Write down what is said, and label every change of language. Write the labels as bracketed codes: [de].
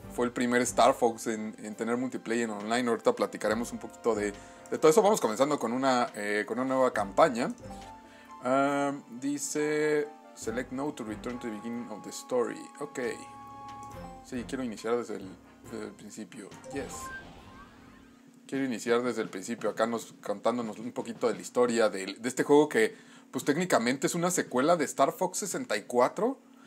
[es] Fue el primer Star Fox en tener multiplayer online. Ahorita platicaremos un poquito de todo eso. Vamos comenzando con una nueva campaña. [en] Dice, select no to return to the beginning of the story. Ok. [es] Sí, quiero iniciar desde el principio. [en] Yes. [es] Quiero iniciar desde el principio. Acá contándonos un poquito de la historia de este juego que, pues técnicamente es una secuela de Star Fox 64.